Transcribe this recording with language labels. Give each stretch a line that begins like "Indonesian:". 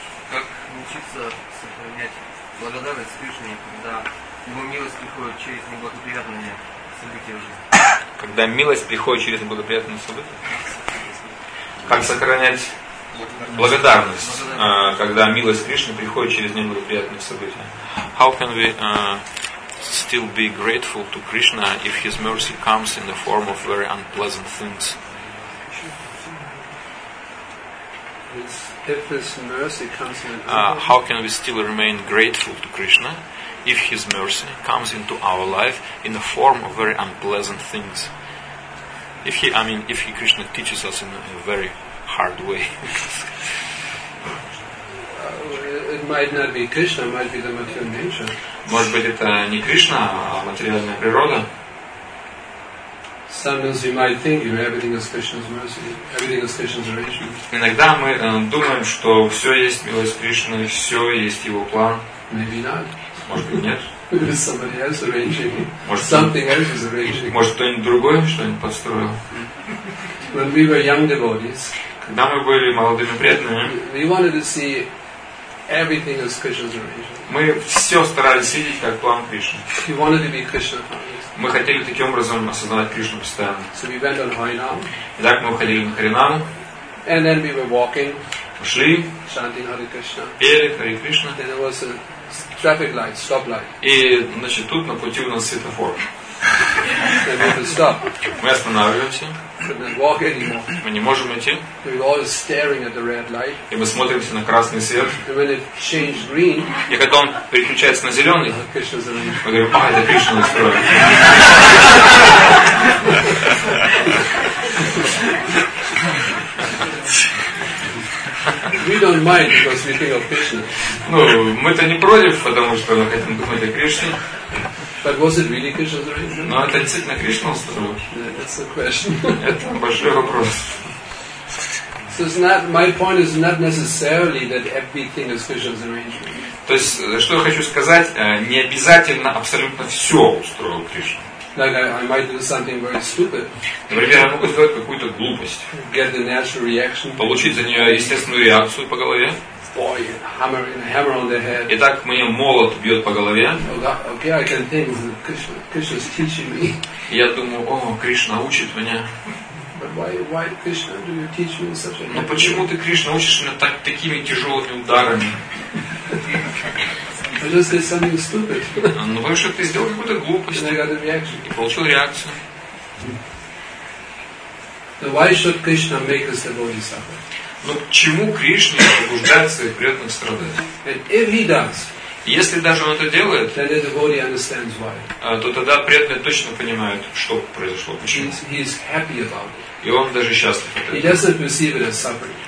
Russian: Как научиться сохранять благодарность Кришне, когда его милость приходит через неблагоприятные события в жизни? Когда милость приходит через неблагоприятные события? Как сохранять благодарность, когда милость Кришны приходит через неблагоприятные события?
English: How can we still be grateful to Krishna if his mercy comes in the form of very unpleasant things? If his mercy comes in our life, how can we still remain grateful to Krishna if his mercy comes into our life in the form of very unpleasant things? If Krishna teaches us in a very hard way. It might not be Krishna, it might be the material nature.
Russian: Может быть это не Кришна, а материальная природа.
English: Sometimes you might think you know, everything is Krishna's mercy, everything is Krishna's arrangement.
Russian: Иногда мы думаем, что все есть милость Кришны, все есть его план.
English: Maybe not.
Russian: Может быть нет.
English: Maybe somebody else arranging.
Russian: Может
English: something else is arranging.
Russian: Может кто-нибудь другой что-нибудь подстроил.
English: When we were young devotees.
Russian: Когда мы были молодыми преданными.
English: We wanted to see everything as Krishna's arrangement.
Russian: Мы все старались видеть как план Кришны.
English: We wanted to be Krishna's plan.
Russian: Мы хотели таким образом осознавать Кришну постоянно.
English: So we went on Harinam.
Russian: Итак, мы уходили на Харинаму.
English: And then we were walking.
Russian: Ушли.
English: Chanting Hare Krishna.
Russian: Пели Hare Krishna.
English: Then there was a traffic light, stop light.
Russian: И значит тут на пути у нас светофор.
English: So we could stop.
Russian: Мы останавливаемся.
English: Couldn't walk anymore.
Russian: Мы не можем идти.
English: We were always staring at the red light.
Russian: И мы смотримся на красный свет.
English: And when it changed green.
Russian: И когда он переключается на зеленый.
English: Krishna's arrangement.
Russian: Мы говорим, а это Кришна настроил.
English: We don't mind because we think of Krishna.
Russian: Ну, мы-то не против, потому что мы хотим думать о Кришне.
English: But was it really Krishna's arrangement?
Russian: Но это действительно Кришна устроил.
English: That's the question.
Russian: Это большой вопрос.
English: So it's not, my point is not necessarily that everything is Krishna's arrangement.
Russian: То есть, что я хочу сказать, не обязательно абсолютно все устроил Кришна.
English: Like I might do something very stupid.
Russian: Например, я могу сделать какую-то глупость.
English: Get the natural reaction.
Russian: Получить за нее естественную реакцию по голове.
English: Boy, hammer on the head.
Russian: И так мне молот бьет по голове.
English: Okay, I can think Krishna's teaching me.
Russian: Я думаю, о, Кришна учит меня.
English: But why Krishna do you teach me such a?
Russian: Но почему ты Кришна учишь меня так такими тяжелыми ударами?
English: I just did something stupid.
Russian: Ну потому что ты сделал какую-то глупость.
English: And I got a reaction.
Russian: И получил реакцию.
English: So why should Krishna make us the body suffer?
Russian: Но к чему Кришне побуждает своих преданных страдать?
English: If he does,
Russian: Если даже он это делает,
English: then the body understands why.
Russian: То тогда преданные точно понимают, что произошло, почему.
English: He is happy about it.
Russian: И он даже счастлив от этого.
English: He doesn't perceive it as suffering.